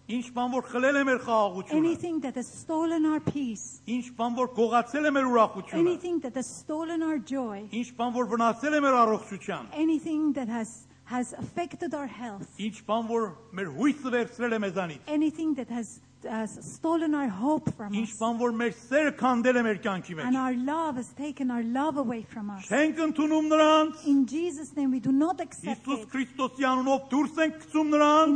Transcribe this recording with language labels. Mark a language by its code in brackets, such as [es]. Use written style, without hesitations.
[hy] Ինչ բան որ խլել է մեր խաղաղությունը. [en] Anything that has stolen our peace. [hy] Ինչ բան որ գողացել է մեր ուրախությունը. [en] Anything that has stolen our joy. [hy] Ինչ բան որ վնասել է մեր առողջության. [en] Anything that has affected our health. [hy] Ինչ բան որ մեր հույսը վերցրել է մեզանից. [en] Anything that has stolen our hope from us. [hy] Ինչ բան որ մեր սերը քանդել է մեր կյանքի մեջ. [en] And our love has taken our love away from us. [hy] Չենք ընդունում նրանց. [en] In Jesus name we do not accept it. [hy] Հիսուս Քրիստոսի անունով դուրս ենք գցում նրանց.